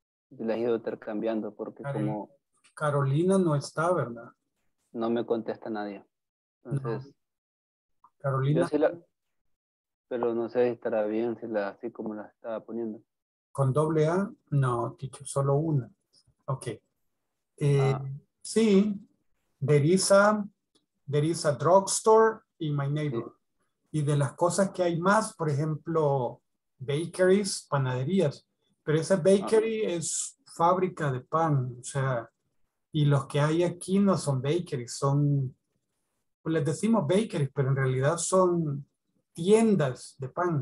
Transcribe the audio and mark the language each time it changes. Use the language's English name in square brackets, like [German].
[Spanish] Yo la he ido intercambiando porque Carolina no está, ¿verdad? No me contesta nadie. Entonces, no. Carolina. Sí la, pero no sé si estará bien, si la así como la estaba poniendo. ¿Con doble A? No, teacher, solo una. Ok. Sí, [English] there is a drugstore in my neighborhood. [Spanish] Sí. Y de las cosas que hay más, por ejemplo, bakeries, panaderías. Pero esa bakery es fábrica de pan, o sea, y los que hay aquí no son bakeries, son, pues les decimos bakeries, pero en realidad son tiendas de pan.